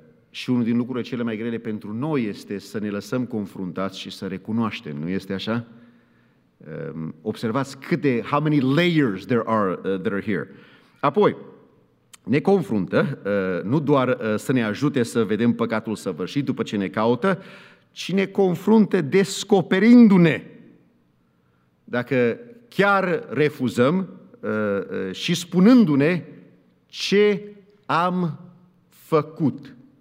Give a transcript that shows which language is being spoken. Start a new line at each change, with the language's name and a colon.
Romanian: Și unul din lucrurile cele mai grele pentru noi este să ne lăsăm confruntați și să recunoaștem, nu este așa? Observați câte,
English: how many layers there are that are here.
Romanian: Apoi, ne confruntă, nu doar să ne ajute să vedem păcatul săvârșit după ce ne caută, ci ne confruntă descoperindu-ne. Dacă chiar refuzăm și spunându-ne ce am făcut.